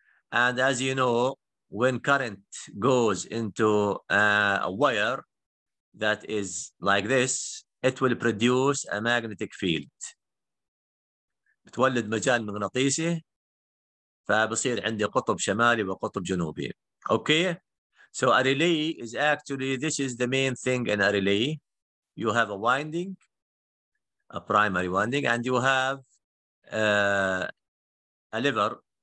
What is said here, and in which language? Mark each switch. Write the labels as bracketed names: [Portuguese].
[English] And as you know, when current goes into a wire that is like this, it will produce a magnetic field. [Arabic] بتولد مجال مغناطيسي فبصير عندي قطب شمالي وقطب جنوبي. [English] Okay. So a relay is actually, this is the main thing in a relay. You have a winding, a primary winding, and you have a lever.